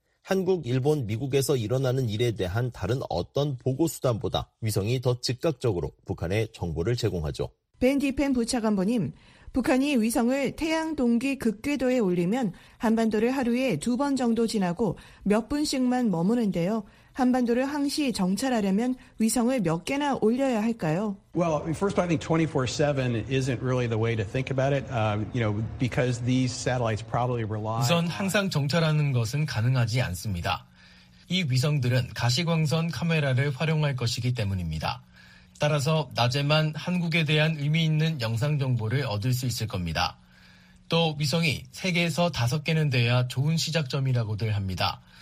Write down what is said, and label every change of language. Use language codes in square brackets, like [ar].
[ko] 한국, 일본, 미국에서 일어나는 일에 대한 다른 어떤 보고 수단보다 위성이 더 즉각적으로 북한에 정보를 제공하죠. 벤 디펜 부차관보님, 북한이 위성을 태양 동기 극궤도에 올리면 한반도를 하루에 두 번 정도 지나고 몇 분씩만 머무는데요. 한반도를 항시 정찰하려면 위성을 몇 개나 올려야 할까요? [en] Well, first I think 24/7 isn't really the way to think about it. You know, because these satellites probably rely. [ko] 우선 항상 정찰하는 것은 가능하지 않습니다. 이 위성들은 가시광선 카메라를 활용할 것이기 때문입니다. 따라서 낮에만 한국에 대한 의미 있는 영상 정보를 얻을 수 있을 겁니다. 또 위성이 3개에서 5개는 돼야 좋은 시작점이라고들 합니다.